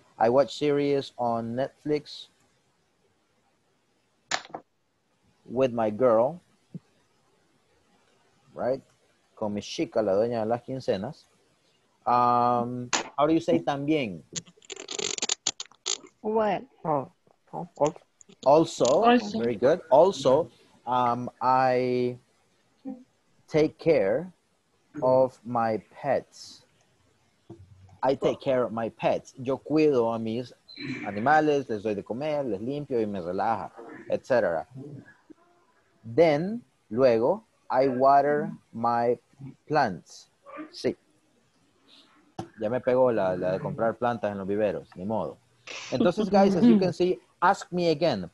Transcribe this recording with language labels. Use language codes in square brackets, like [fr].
[en] I watch series on Netflix with my girl. Right? [es] Con mi chica, la dueña de las quincenas. [en] How do you say también? Well. Oh. Also, very good. Also, I take care of my pets. I take care of my pets. [es] Yo cuido a mis animales, les doy de comer, les limpio y me relaja, etc. [en] Then, luego, I water my plants. Sí. [es] Ya me pegó la de comprar plantas en los viveros, ni modo. [en] Entonces, guys, as you can see, ask me again.